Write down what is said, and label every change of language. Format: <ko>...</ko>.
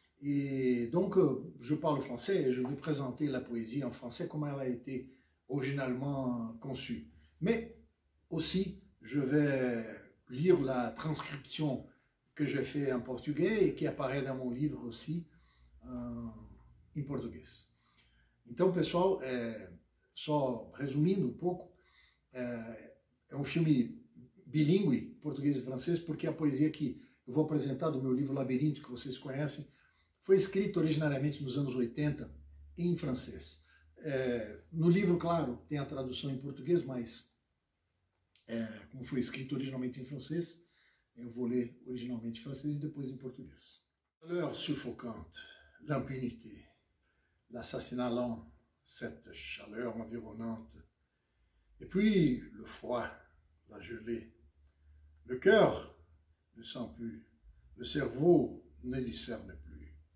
<fr>Et donc, je parle français et je vais présenter la poésie en français, comment elle a été originalement conçue. Mais aussi, je vais lire la transcription que j'ai fait en portugais et qui apparaît dans mon livre aussi en portugais.</fr> <pt>Então, pessoal, só resumindo um pouco, é um filme bilíngue, português e francês, porque a poesia que eu vou apresentar do meu livro Labirinto, que vocês conhecem, foi escrita originariamente nos anos 80 em francês. No livro, claro, tem a tradução em português, mas como foi escrito originalmente em francês, eu vou ler originalmente em francês e depois em português.</pt> <fr>Valeur suffocante, l'impunité. L'assassinat lent, cette chaleur environnante, et puis le froid, la gelée. Le cœur ne sent plus, le cerveau ne discerne plus.</fr>